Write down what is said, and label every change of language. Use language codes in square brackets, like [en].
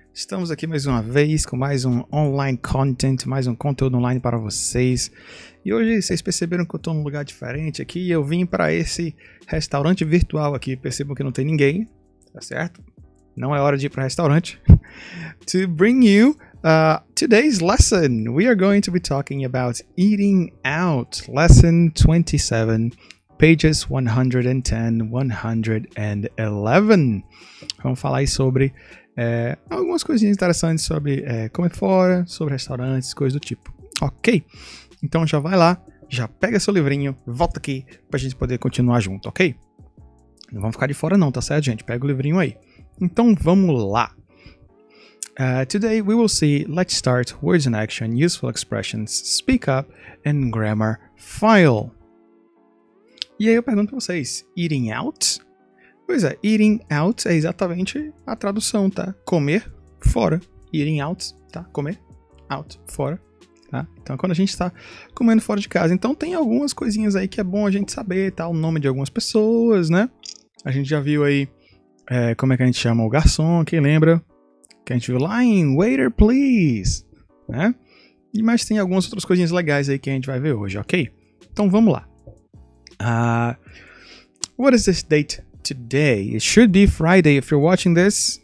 [pt] Estamos aqui mais uma vez com mais um online content, mais um conteúdo online para vocês. E hoje vocês perceberam que eu estou num lugar diferente aqui e eu vim para esse restaurante virtual aqui. Percebam que não tem ninguém, tá certo? Não é hora de ir para o restaurante. [en] To bring you today's lesson, we are going to be talking about eating out, lesson 27. Pages 110, 111. [pt] Vamos falar aí sobre algumas coisinhas interessantes sobre comer fora, sobre restaurantes, coisas do tipo. Ok? Então já vai lá, já pega seu livrinho, volta aqui pra gente poder continuar junto, ok? Não vamos ficar de fora não, tá certo, gente? Pega o livrinho aí. Então vamos lá. [en] Today we will see, let's start, words in action, useful expressions, speak up, and grammar file. [pt] E aí eu pergunto pra vocês, eating out? Pois é, eating out é exatamente a tradução, tá? Comer fora. Eating out, tá? Comer out, fora, tá? Então, quando a gente tá comendo fora de casa. Então, tem algumas coisinhas aí que é bom a gente saber, tá? O nome de algumas pessoas, né? A gente já viu aí como é que a gente chama o garçom, quem lembra? Que a gente viu lá em waiter, please, né? E, mas tem algumas outras coisinhas legais aí que a gente vai ver hoje, ok? Então, vamos lá. [en] What is this date today? It should be Friday if you're watching this.